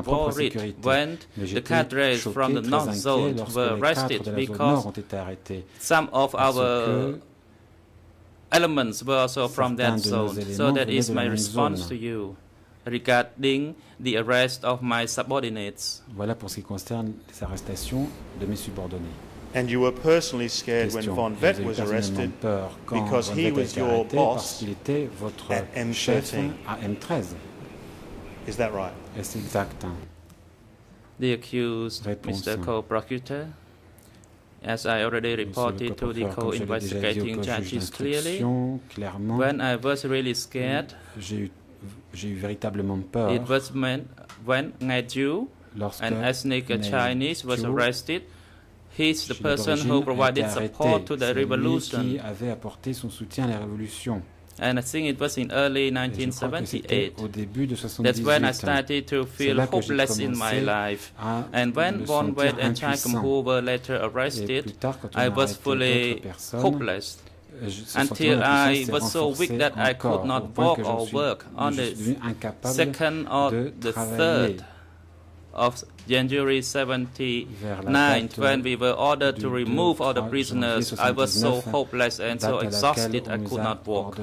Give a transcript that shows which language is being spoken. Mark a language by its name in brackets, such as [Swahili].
[English] and worried when the cadres from the North Zone were arrested because some of our elements were also from that zone. So that is my response [French] zone [English] to you regarding the arrest of my subordinates. [French] Voilà pour ce qui concerne les arrestations de mes subordonnés. [English] And you were personally scared [French] question. [English] When Von Vett was arrested because he was your boss [French] était votre at M13. Chef à M13. [English] Is that right? [French] Est-ce exact? [English] The accused, [French] réponse. [English] Mr. Co-Procureur, as I already reported to the co-investigating judges clearly, [French] clairement, [English] when I was really scared, [French] j'ai eu véritablement peur. [English] It was when Ngai Ju, an ethnic Chinese, was arrested. He's the person who provided support to the revolution. [French] Qui avait apporté son soutien à la révolution. [English] And I think it was in early 1978. [French] Au début de 78. [English] That's when I started to feel hopeless in my life. And when Von Vett and Choeng Ek were later arrested, I was fully hopeless. Until I was so weak that I could not walk or work on the second or the third of January 79, when we were ordered to remove all the prisoners, I was so hopeless and so exhausted I could not walk.